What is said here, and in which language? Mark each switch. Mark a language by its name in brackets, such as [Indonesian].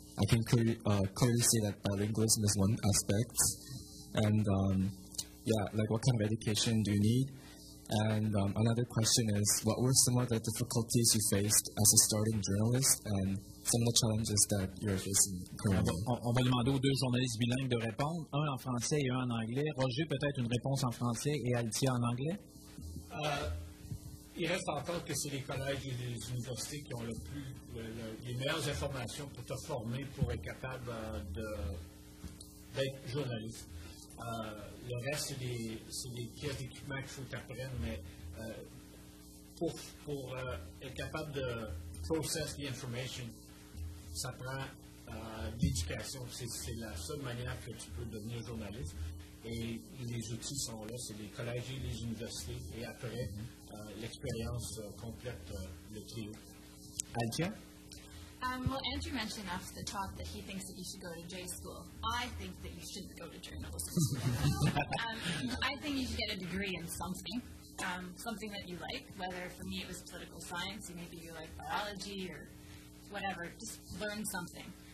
[English] I can clearly see that bilingualism is one aspect. And what kind of education do you need? And another question is, what were some of the difficulties you faced as a starting journalist and some of the challenges that you're facing currently? [French] On va demander aux deux journalistes bilingues de répondre, un en français et un en anglais. Roger, peut-être une réponse en français et Altia en anglais? Il reste à entendre que c'est les collèges et les universités qui ont le plus, les meilleures informations pour te former, pour être capable d'être journaliste. Le reste, c'est des pièces d'équipement qu'il faut que tu apprennes, mais pour être capable de [English] process the information, [French] ça prend l'éducation. C'est la seule manière que tu peux devenir journaliste. Et les outils sont là, c'est les collèges et les universités, et après, l'expérience complète, le trio. Altia? [English] Well, Andrew mentioned off the top that he thinks that you should go to J school. I think that you shouldn't go to journalism school. I think you should get a degree in something, something that you like, whether for me it was political science, or maybe you like biology or whatever, just learn something.